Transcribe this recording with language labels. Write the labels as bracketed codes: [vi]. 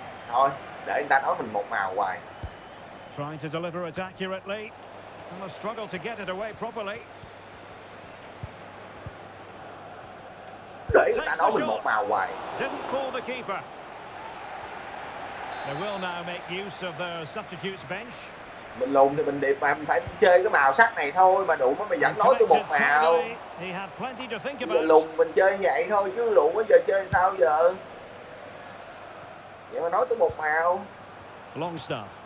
[vi] Thôi, để người ta nói mình một màu hoài. [en] Trying to deliver it accurately. And a struggle to get it away properly. [vi] Để người ta nói mình một màu hoài. [en] Didn't call the keeper. They will now make use of the substitute's bench. [vi] Mình lùn thì mình đẹp, mình phải chơi cái màu sắc này thôi mà đủ mới mày dẫn nói tôi một màu. [en] He had plenty to think about. [vi] Lùn mình chơi vậy thôi chứ lùn bây giờ chơi sao giờ? Vậy mà nói tới một màu. [en] Long stuff.